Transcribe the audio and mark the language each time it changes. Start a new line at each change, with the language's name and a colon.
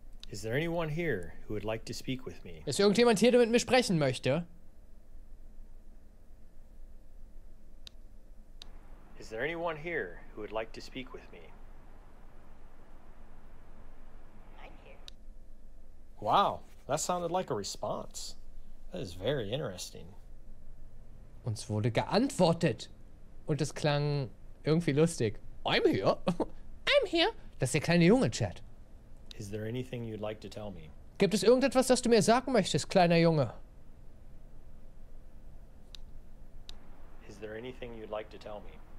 English: Is there anyone here who would like to speak with me?
German: Ist irgendjemand hier, der mit mir sprechen möchte?
English: Is there anyone here who would like to speak with me? I'm here. Wow, that sounded like a response. That is very interesting.
German: Uns wurde geantwortet und es klang irgendwie lustig.
English: I'm here. I'm here.
German: Das ist der kleine Junge, Chad.
English: Is there anything you'd like to tell me?
German: Gibt es irgendetwas, das du mir sagen möchtest, kleiner Junge?
English: Is there anything you'd like to tell me?